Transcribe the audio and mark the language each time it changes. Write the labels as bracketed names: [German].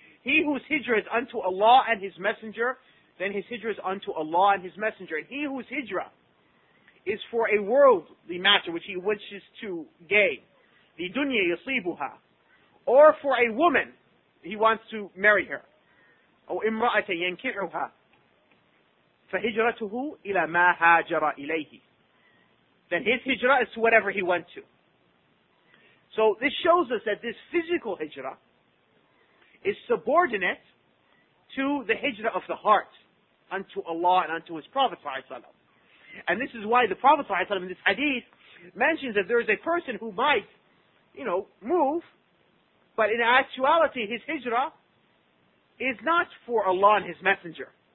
[English] He whose hijrah is unto Allah and his messenger, then his hijrah is unto Allah and his messenger. And he whose hijrah is for a worldly matter which he wishes to gain, [Arabic] the dunya yasibuha, [English] or for a woman, he wants to marry her. [Arabic] أو امرأة ينكحها فهجرته إلى ما هاجر إليه. [English] Then his hijrah is to whatever he went to. So this shows us that this physical hijrah is subordinate to the hijrah of the heart unto Allah and unto his Prophet ﷺ. And this is why the Prophet ﷺ in this hadith mentions that there is a person who might, you know, move, but in actuality his hijrah is not for Allah and his messenger.